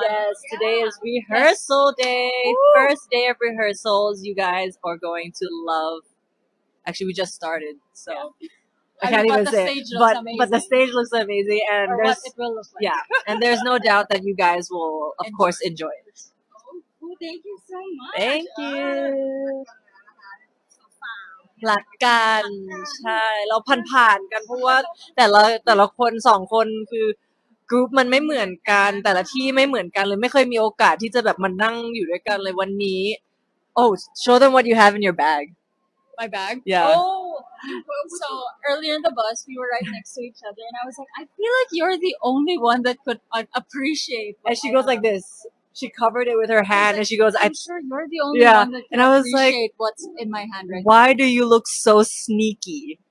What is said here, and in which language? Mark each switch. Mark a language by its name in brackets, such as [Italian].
[English] Yes, today is rehearsal day. Woo! First day of rehearsals. You guys are going to love. Actually, we just started, so I can't even say, but the stage looks amazing, and and there's no doubt that you guys will, of course, enjoy it. Oh, thank you so much. Thank you. [Thai] หลักการใช่เราผ่านกันเพราะว่าแต่ละคนสองคนคือ กรุ๊ปมันไม่เหมือนกันแต่ละที่ไม่เหมือนกันเลยไม่เคยมีโอกาสที่จะแบบมานั่งอยู่ด้วยกันเลยวันนี้ [English] Oh, show them what you have in your bag. My bag? Yeah. Oh, so earlier in the bus, we were right next to each other and I was like, I feel like you're the only one that could appreciate what And she goes like this. She covered it with her hand like, and she goes, I'm sure you're the only one that can appreciate like, what's in my hand right Why now. Do you look so sneaky?